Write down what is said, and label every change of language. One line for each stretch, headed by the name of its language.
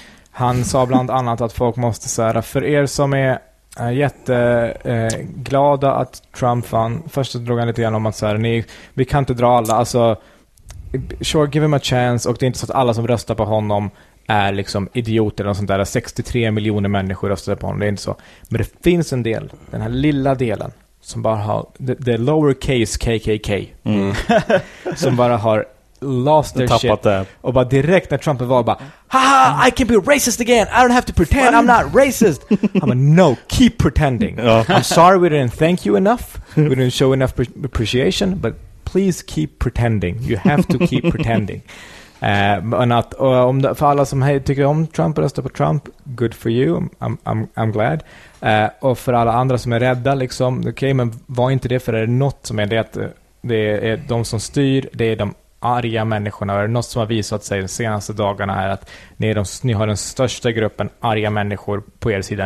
Swedish: Han sa bland annat att folk måste säga, för er som är jätteglada att Trump vann, först drog han lite igenom att så här, vi kan inte dra alla, alltså,
English: sure, give him a chance,
Swedish: och det är inte så att alla som röstar på honom är liksom idioter eller sånt där. 63 miljoner människor röstade på honom. Det är inte så. Men det finns en del, den här lilla delen, som bara har
English: the lowercase KKK,
Swedish: som bara har
English: lost their shit
Swedish: det. Och bara direkt när Trump var bara,
English: haha, I can be racist again, I don't have to pretend I'm not racist. I'm like, no, keep pretending. I'm sorry we didn't thank you enough, we didn't show enough appreciation, but please keep pretending. You have to keep pretending.
Swedish: För alla som tycker om Trump och röstar på Trump,
English: good for you, I'm glad.
Swedish: Och för alla andra som är rädda liksom, okay, men var inte det, för är det något som är det, att det är de som styr, det är de arga människorna. Och är det något som har visat sig de senaste dagarna är att ni har den största gruppen arga människor på er sida.